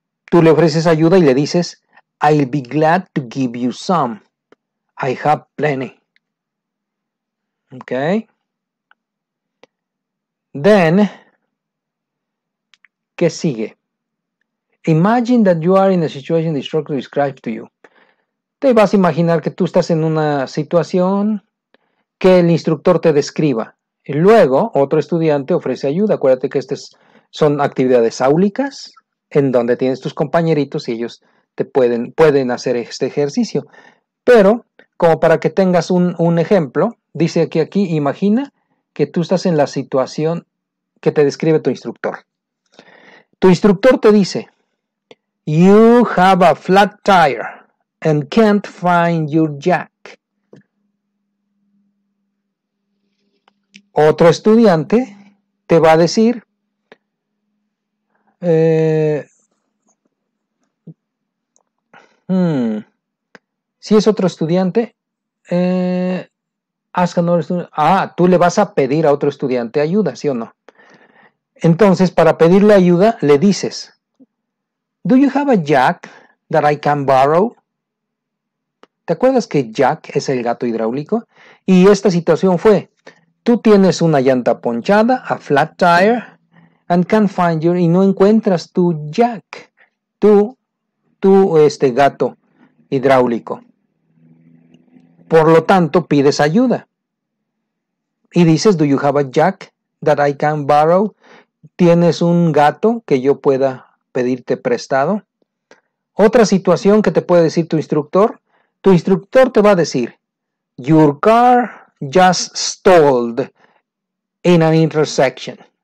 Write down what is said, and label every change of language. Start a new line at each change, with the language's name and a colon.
Spanish: Tú le ofreces ayuda y le dices,
English: I'll be glad to give you some. I have plenty. Ok.
Spanish: Then, ¿qué sigue?
English: Imagine that you are in a situation the instructor described to you.
Spanish: Te vas a imaginar que tú estás en una situación que el instructor te describa. Y luego, otro estudiante ofrece ayuda. Acuérdate que estas son actividades áulicas en donde tienes tus compañeritos y ellos te pueden hacer este ejercicio. Pero, como para que tengas un ejemplo, dice aquí, imagina que tú estás en la situación que te describe tu instructor. Tu instructor te dice,
English: you have a flat tire and can't find your jack.
Spanish: Otro estudiante te va a decir, si es otro estudiante, Ah, tú le vas a pedir a otro estudiante ayuda, ¿sí o no? Entonces, para pedirle ayuda, le dices,
English: Do you have a jack that I can borrow?
Spanish: ¿Te acuerdas que jack es el gato hidráulico? Y esta situación fue, tú tienes una llanta ponchada,
English: a flat tire, and can't find your,
Spanish: y no encuentras tu jack, tu gato hidráulico. Por lo tanto, pides ayuda. Y dices,
English: Do you have a jack that I can borrow?
Spanish: ¿Tienes un gato que yo pueda pedirte prestado? Otra situación que te puede decir tu instructor te va a decir,
English: Your car just stalled in an intersection.